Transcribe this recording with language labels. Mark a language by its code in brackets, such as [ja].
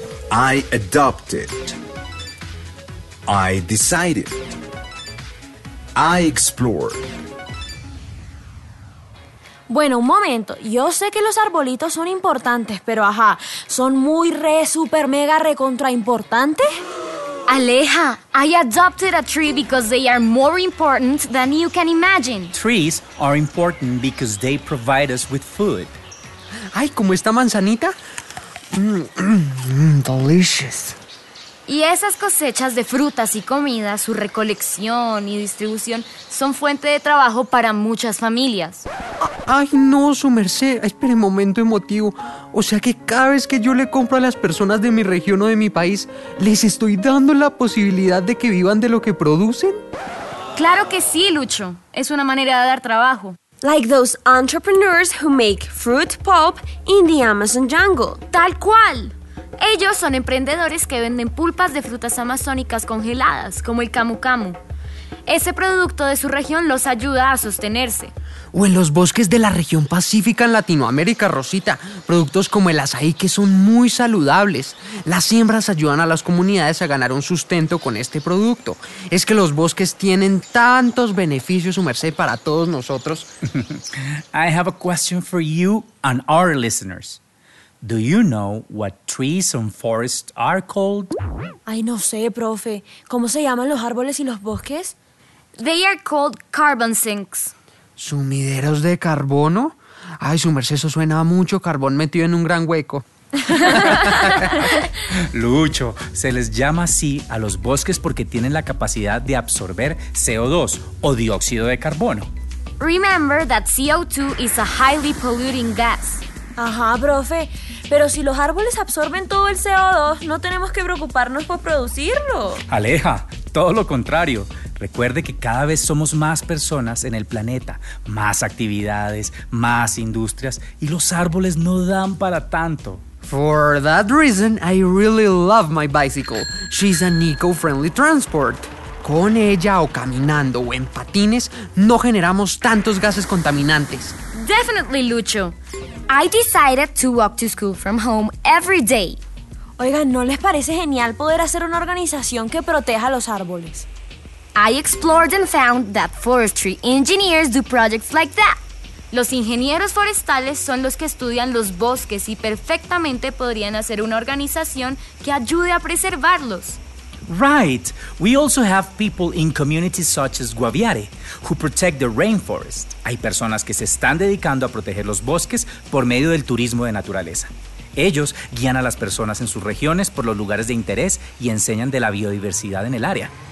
[en] I adopted. I decided. I explored. [es] Bueno, un momento. Yo sé que los arbolitos son importantes, pero ajá, ¿son muy re super mega recontra importantes? [en] Aleja, I adopted a tree because they are more important than you can imagine. Trees are important because they provide us with food. [es] Ay, ¿cómo está manzanita? [en] Delicious. [es] Y esas cosechas de frutas y comida, su recolección y distribución, son fuente de trabajo para muchas familias. Ay, no, su merced. Espere, momento emotivo. O sea que cada vez que yo le compro a las personas de mi región o de mi país, ¿les estoy dando la posibilidad de que vivan de lo que producen? Claro que sí, Lucho. Es una manera de dar trabajo. [en] Like those entrepreneurs who make fruit pulp in the Amazon jungle. [es] Tal cual. Ellos son emprendedores que venden pulpas de frutas amazónicas congeladas, como el camu camu. Ese producto de su región los ayuda a sostenerse. O en los bosques de la región pacífica en Latinoamérica, Rosita. Productos como el azaí, que son muy saludables. Las siembras ayudan a las comunidades a ganar un sustento con este producto. Es que los bosques tienen tantos beneficios, su merced, para todos nosotros. [en] I have a question for you and our listeners. Do you know what trees and forests are called? [es] Ay, no sé, profe. ¿Cómo se llaman los árboles y los bosques? [en] They are called carbon sinks. [es] ¿Sumideros de carbono? Ay, su merced, eso suena a mucho carbón metido en un gran hueco. Lucho, se les llama así a los bosques porque tienen la capacidad de absorber CO2 o dióxido de carbono. [en] Remember that CO2 is a highly polluting gas. [es] Ajá, profe. Pero si los árboles absorben todo el CO2, no tenemos que preocuparnos por producirlo. Aleja, todo lo contrario. Recuerde que cada vez somos más personas en el planeta, más actividades, más industrias, y los árboles no dan para tanto. [en] For that reason, I really love my bicycle. She's an eco-friendly transport. [es] Con ella o caminando o en patines, no generamos tantos gases contaminantes. [en] Definitely, Lucho. I decided to walk to school from home every day. [es] Oigan, ¿no les parece genial poder hacer una organización que proteja los árboles? [en] I explored and found that forestry engineers do projects like that. [es] Los ingenieros forestales son los que estudian los bosques y perfectamente podrían hacer una organización que ayude a preservarlos. [en] Right. We also have people in communities such as Guaviare, who protect the rainforest. [es] Hay personas que se están dedicando a proteger los bosques por medio del turismo de naturaleza. Ellos guían a las personas en sus regiones por los lugares de interés y enseñan de la biodiversidad en el área.